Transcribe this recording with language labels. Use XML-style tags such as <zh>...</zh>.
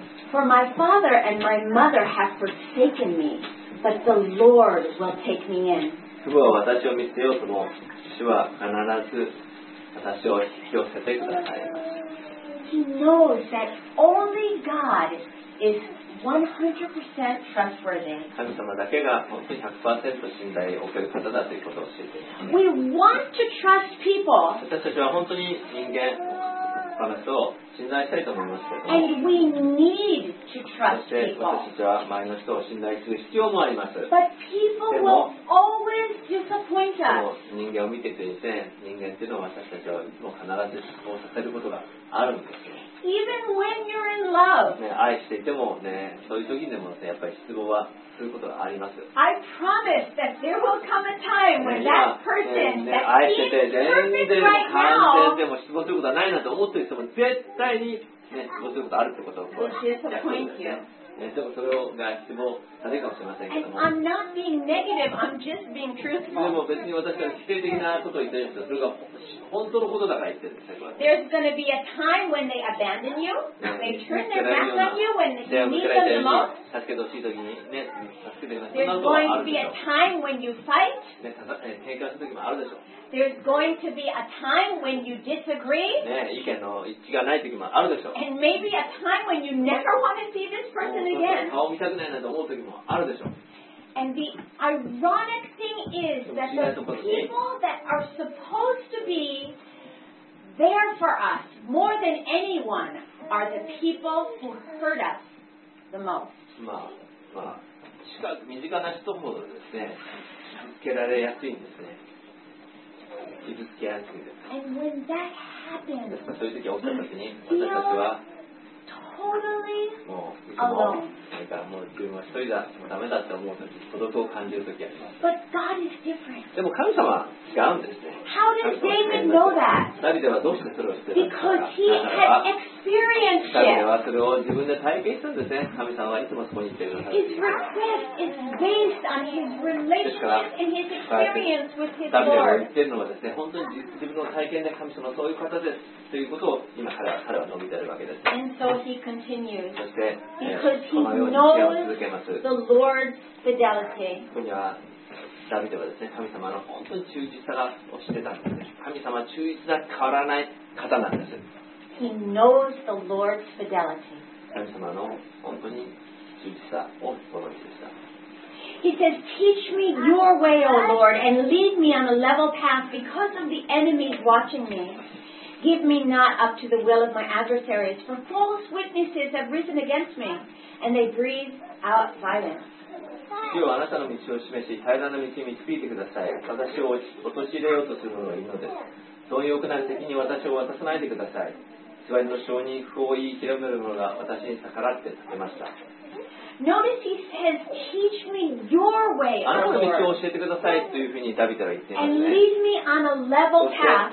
<en>For my father and my mother have forsaken me, but the Lord will take me in.</en> <ja>父は私を見捨てようとも、主は必ず私を引き寄せてくださいます。</ja> <en>He knows that only God is. 100% trustworthy.</en> <ja>神様だけが本当に 100% 信頼を置ける方だということを知っています。</ja> <en>We want to trust people.</en> <ja>私たちは本当に人間、他の人を信頼したいと思いますけれども。</ja> <en>And we need to trust people.</en> <ja>そして私たちは周りの人を信頼する必要もあります。</ja> <en>But people will always disappoint us.</en> <ja>でも人間を見ていて、人間というのは私たちはいつも必ず失望させることがあるんですよ。</ja> <en>Even when you're in love.</en> <ja>ね、愛していてもね、そういう時でも、ね、やっぱり失望はすることがあります。</ja> <en>I promise that there will come a time when that person</en> <ja>ね、愛してて全然完全でも失望することはないなと思っている人も絶対に、ね、失望することあるってことを知ってほしいですね。ね、でもそれをが言ってもダメかもしれませんけども。</ja> <en>And I'm not being negative. I'm just being truthful.</en> <ja>でも別に私は否定的なことを言ってるんですよ。それが本当のことだから言ってるんですよ。</ja> <en>There's going to be a time when they abandon you. They turn their back on you when you need them the most.</en> <ja>助けてほしい時にね、助けてください。</ja> <en>There's going to be a time when you fight.</en> <ja>ね、喧嘩する時もあるでしょ。</ja> <en>There's going to be a time when you disagree.</en> <ja>ね、意見の一致がない時もあるでしょ。</ja> <en>And maybe a time when you never want to see this person again.</en> <ja>顔見たくないなと思う時もあるでしょ。</ja> <en>And the ironic thing is that the people that are supposed to be there for us more than anyone are the people who hurt us the most.</en> <ja>まあ、まあ、近く身近な人ほどですね、受けられやすいんですね。傷つけやすいです。</ja> <en>And when that happens,</en> <ja>ですからそういう時が起きた時に私たちは</ja> <en>totally</en> <ja>もういつも、それからもう自分は一人だ、もうダメだって思う時、孤独を感じる時があります。</ja> <en>But God is different.</en> <ja>でも神様は違うんですね。</ja> <en>How did David know that?</en> <ja>ダビデはどうしてそれを知ってるんですか?</ja> <en>Because he had experienced it.</en> <ja>ダビデはそれを自分で体験したんですね。神様はいつもそこにいてるから。</ja> <en>His success is based on his relationship and his experience with his Lord.</en> <ja>ダビデが言ってるのはですね、本当に自分の体験で神様はそういう方ですということを今から彼は述べているわけです。</ja> <en>And so he continues.</en> <ja>そして、</ja> <en>Because he knows the Lord's fidelity.</en> <ja>ダビデはですね、神様の本当に忠実さを知ってたんですね。神様は忠実な変わらない方なんです。</ja> <en>He knows the Lord's fidelity.</en> <ja>神様の本当に忠実さをご存知でした。</ja> <en>He says, "Teach me your way, O Lord, and lead me on a level path because of the enemies watching me. Give me not up to the will of my adversaries, for false witnesses have risen against me, and they breathe out violence."</en> <ja>主よ、あなたの道を示し、平らな道に導いてください。私を陥れようとする者がいるのです。貪欲なる敵に私を渡さないでください。偽りの証人、不法を言い広める者が私に逆らって立てました。</ja> <en>Notice he says, "Teach me your way,</en> <ja>あなたの道を教えてくださいというふうにダビデは言っています、ね。</ja> <en>And lead me on a level path.</en>